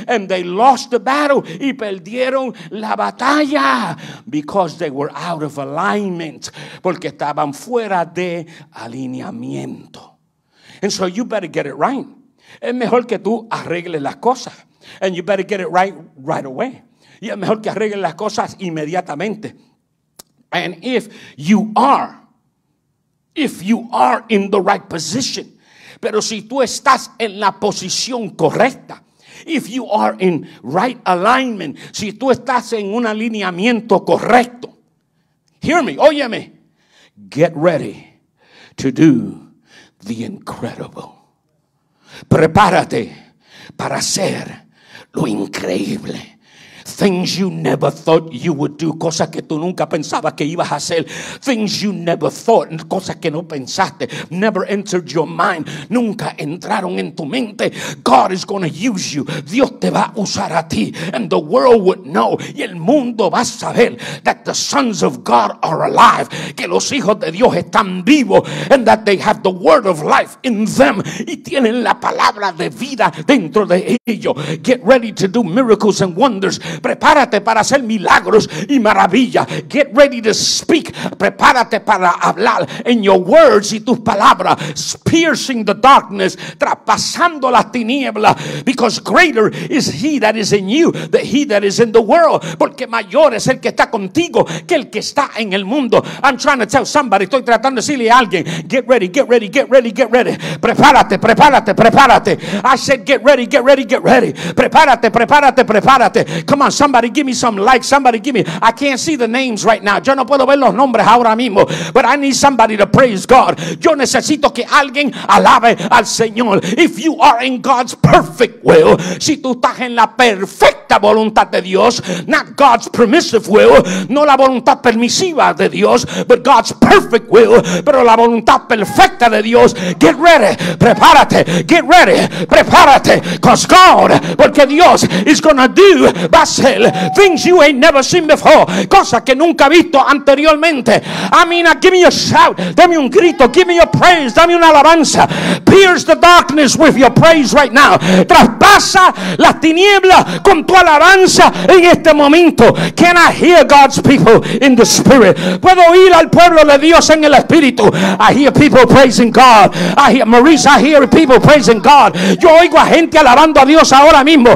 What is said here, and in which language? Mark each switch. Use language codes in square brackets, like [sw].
[en] And they lost the battle, [es] y perdieron la batalla, [en] because they were out of alignment, [es] porque estaban fuera de alineamiento. [en] And so you better get it right. [es] Es mejor que tú arregles las cosas. [en] And you better get it right away. [es] Y es mejor que arregles las cosas inmediatamente. [en] And if you are in the right position. [es] Pero si tú estás en la posición correcta. [en] If you are in right alignment. [es] Si tú estás en un alineamiento correcto. [en] Hear me, [es] óyeme. [en] Get ready to do the incredible. [es] Prepárate para hacer lo increíble. [en] Things you never thought you would do. [es] Cosas que tú nunca pensabas que ibas a hacer. [en] Things you never thought. [es] Cosas que no pensaste. [en] Never entered your mind. [es] Nunca entraron en tu mente. [en] God is going to use you. [es] Dios te va a usar a ti. [en] And the world would know. [es] Y el mundo va a saber. [en] That the sons of God are alive. [es] Que los hijos de Dios están vivos. [en] And that they have the word of life in them. [es] Y tienen la palabra de vida dentro de ellos. [en] Get ready to do miracles and wonders. [es] Prepárate para hacer milagros y maravillas. [en] Get ready to speak. [es] Prepárate para hablar en [en] your words [es] y tus palabras. [en] Piercing the darkness. [es] Traspasando las tinieblas. [en] Because greater is he that is in you than he that is in the world. [es] Porque mayor es el que está contigo que el que está en el mundo. [en] I'm trying to tell somebody. [es] Estoy tratando de decirle a alguien. [en] Get ready, get ready, get ready, get ready. [es] Prepárate, prepárate, prepárate. [en] I said get ready, get ready, get ready. [es] Prepárate, prepárate, prepárate. [en] Come on, somebody give me some likes. Somebody give me. I can't see the names right now. [es] Yo no puedo ver los nombres ahora mismo. [en] But I need somebody to praise God. [es] Yo necesito que alguien alabe al Señor. [en] If you are in God's perfect will. [es] Si tú estás en la perfecta voluntad de Dios. [en] Not God's permissive will. [es] No la voluntad permisiva de Dios. [en] But God's perfect will. [es] Pero la voluntad perfecta de Dios. [en] Get ready. [es] Prepárate. [en] Get ready. Prepárate. Because God. [es] Porque Dios [en] is going to do. [es] Va a ser [en] things you ain't never seen before. [es] Cosas que nunca visto anteriormente. [en] I mean, give me a shout. [es] Dame un grito. [en] Give me a praise. [es] Dame una alabanza. [en] Pierce the darkness with your praise right now. [es] Traspasa las tinieblas con tu alabanza en este momento. [en] Can I hear God's people in the spirit? [es] Puedo oír al pueblo de Dios en el espíritu. [en] I hear people praising God. I hear Maurice. I hear people praising God. [es] Yo oigo a gente alabando a Dios ahora mismo.